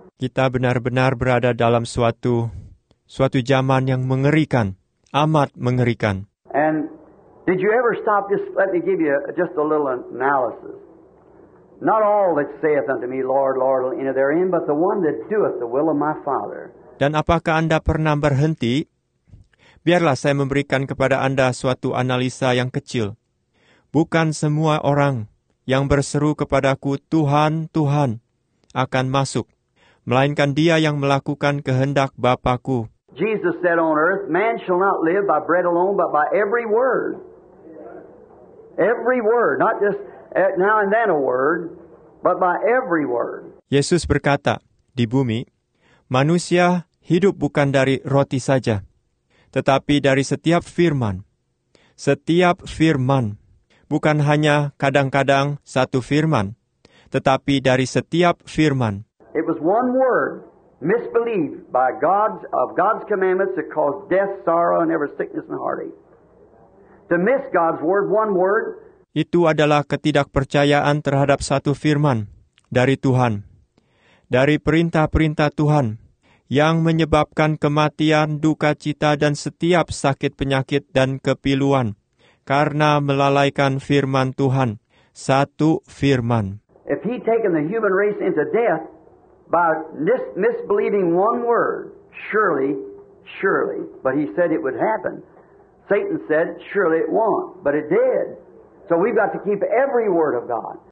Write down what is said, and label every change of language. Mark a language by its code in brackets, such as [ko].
[id] Kita benar-benar berada dalam suatu zaman yang mengerikan, amat mengerikan. [en] And did you ever stop? Just let me give you just a little analysis. Not all that saith unto me, Lord, Lord, will enter therein, but the one that doeth the will of my Father. [id] Dan apakah Anda pernah berhenti? Biarlah saya memberikan kepada Anda suatu analisa yang kecil. Bukan semua orang yang berseru kepadaku, Tuhan, Tuhan, akan masuk, melainkan dia yang melakukan kehendak Bapa-Ku. [en] Jesus said on earth, man shall not live by bread alone, but by every word. Every word, not just now and then a word, but by every word. [id] Yesus berkata, di bumi, manusia hidup bukan dari roti saja, tetapi dari setiap firman. Setiap firman, bukan hanya kadang-kadang satu firman, tetapi dari setiap firman. [en] It was one word. Misbelief by God's commandments that caused death, sorrow, and every sickness and heartache. To miss God's word, one word. [id] Itu adalah ketidakpercayaan terhadap satu firman dari Tuhan, dari perintah-perintah Tuhan yang menyebabkan kematian, duka cita, dan setiap sakit penyakit dan kepiluan karena melalaikan firman Tuhan, satu firman. [en] If he taken the human race into death by misbelieving one word, surely, but he said it would happen. Satan said, surely it won't, but it did. So we've got to keep every word of God.